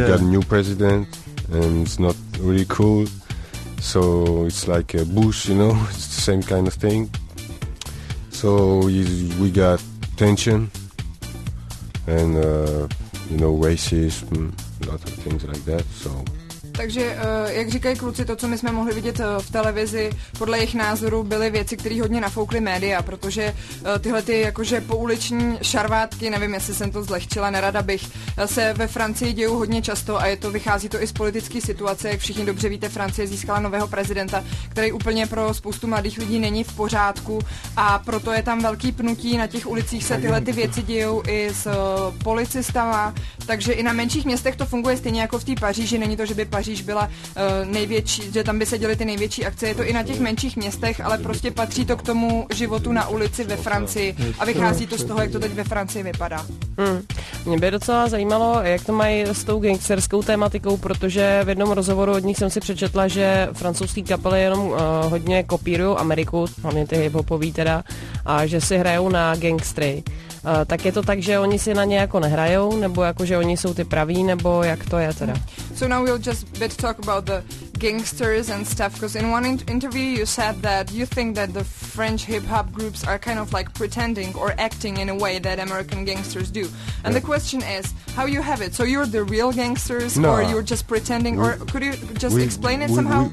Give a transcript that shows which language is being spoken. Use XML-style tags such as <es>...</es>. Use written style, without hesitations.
<en>We got a new president, and it's not really cool. So it's like a bush, you know, it's the same kind of thing. So we got tension, and, you know, racism, a lot of things like that, so...</en> <cs>Takže, jak říkají kluci, to, co my jsme mohli vidět v televizi, podle jejich názoru, byly věci, které hodně nafoukly média, protože tyhle ty jakože pouliční šarvátky, nevím, jestli jsem to zlehčila, nerada bych, se ve Francii dějou hodně často a vychází to i z politické situace. Jak všichni dobře víte, Francie získala nového prezidenta, který úplně pro spoustu mladých lidí není v pořádku a proto je tam velký pnutí. Na těch ulicích se tyhle ty věci dějou i s policistama, takže i na menších městech to funguje stejně jako v té Paříži, není to, že by Paříž byla největší, že tam by se děly ty největší akce. Je to i na těch menších městech, ale prostě patří to k tomu životu na ulici ve Francii a vychází to z toho, jak to teď ve Francii vypadá. Mě by docela zajímalo, jak to mají s tou gangsterskou tématikou, protože v jednom rozhovoru od nich jsem si přečetla, že francouzský kapely jenom hodně kopírují Ameriku, hlavně ty hip-hopový teda, a že si hrajou na gangstry. Tak je to tak, že oni si na ně jako nehrajou, nebo jako že oni jsou ty praví, nebo jak to je teda?</cs> <en>So now we'll just a bit talk about the gangsters and stuff, because in one interview you said that you think that the French hip-hop groups are kind of like pretending or acting in a way that American gangsters do. And the question is, how you have it? So you're the real gangsters, no, or you're just pretending, or could you just explain it somehow?</en>